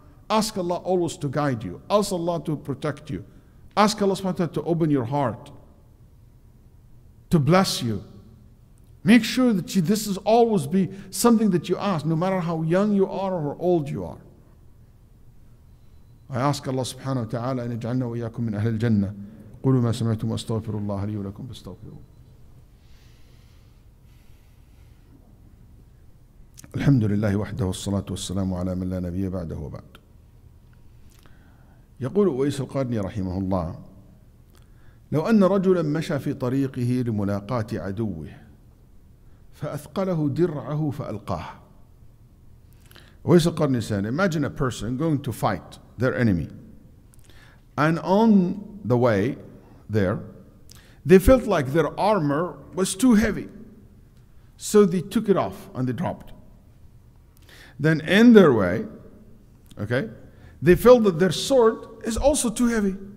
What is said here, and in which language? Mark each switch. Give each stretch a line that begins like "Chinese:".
English: Ask Allah always to guide you. Ask Allah to protect you. Ask Allah subhanahu wa ta'ala to open your heart, to bless you. Make sure that this is always be something that you ask, no matter how young you are or old you are. I ask Allah subhanahu wa ta'ala,
Arabic: an yaj'alna wa iyyakum min ahli al-jannah. قولوا ما سمعتم واستغفر الله لي ولكم فاستغفروه. الحمد لله وحده والصلاة والسلام على من لا نبي بعده وبعد. يقول أويس القرني رحمه الله: لو أن رجلا مشى في طريقه لملاقاة عدوه فأثقله درعه فألقاه.
English: أويس القرني said, imagine a person going to fight their enemy, and on the way there, they felt like their armor was too heavy. So they took it off and they dropped. Then in their way, okay, they felt that their sword is also too heavy.